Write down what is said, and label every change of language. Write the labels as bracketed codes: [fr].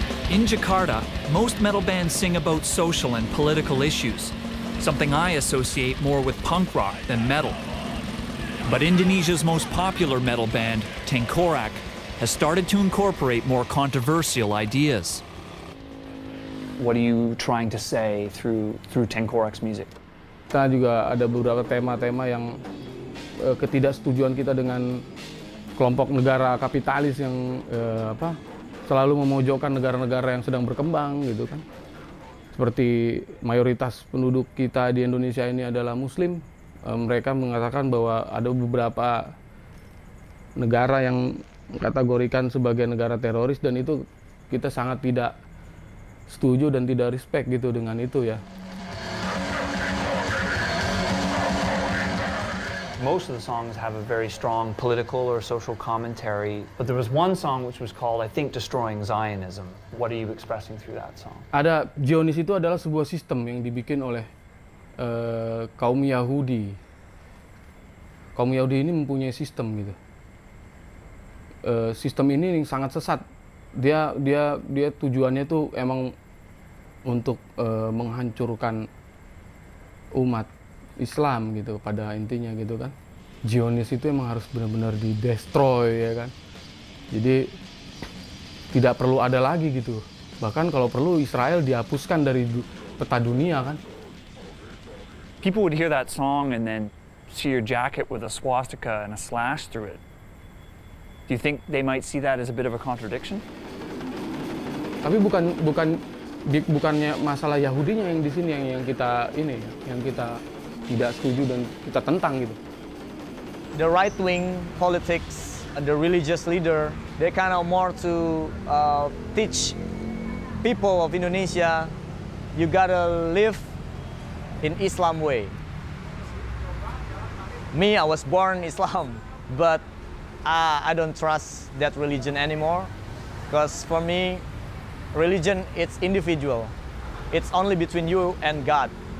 [en] In Jakarta, most metal bands sing about social and political issues, something I associate more with punk rock than metal. But Indonesia's most popular metal band, Tengkorak, has started to incorporate more controversial ideas. What are you trying to say through Tengkorak's music? [id] Kita juga ada beberapa tema-tema yang ketidaksetujuan kita dengan kelompok negara kapitalis yang selalu memojokkan negara-negara yang sedang berkembang gitu kan. Seperti mayoritas penduduk kita di Indonesia ini adalah muslim. Mereka mengatakan bahwa ada beberapa negara yang kategorikan sebagai negara teroris, dan itu kita sangat tidak setuju dan tidak respect gitu dengan itu ya. [en] Most of the songs have a very strong political or social commentary, but there was one song which was called, I think, Destroying Zionism. What are you expressing through that song? [id] Ada Zionis itu adalah sebuah sistem yang dibikin oleh kaum Yahudi. Kaum Yahudi ini mempunyai sistem gitu. Sistem ini yang sangat sesat. Dia tujuannya itu emang untuk menghancurkan umat Islam gitu pada intinya gitu kan. Zionis itu emang harus benar-benar di destroy ya kan. Jadi tidak perlu ada lagi gitu. Bahkan kalau perlu Israel dihapuskan dari peta dunia kan. [en] People would hear that song and then see your jacket with a swastika and a slash through it. Do you think they might see that as a bit of a contradiction? [id] Tapi bukannya masalah Yahudinya yang di sini yang kita ini yang kita tidak setuju dan kita tentang gitu. [en] The right wing politics, the religious leader, they kind of more to teach people of Indonesia, you gotta live in Islam way. Me, I was born Islam, but I don't trust that religion anymore, because for me, religion it's individual, it's only between you and God.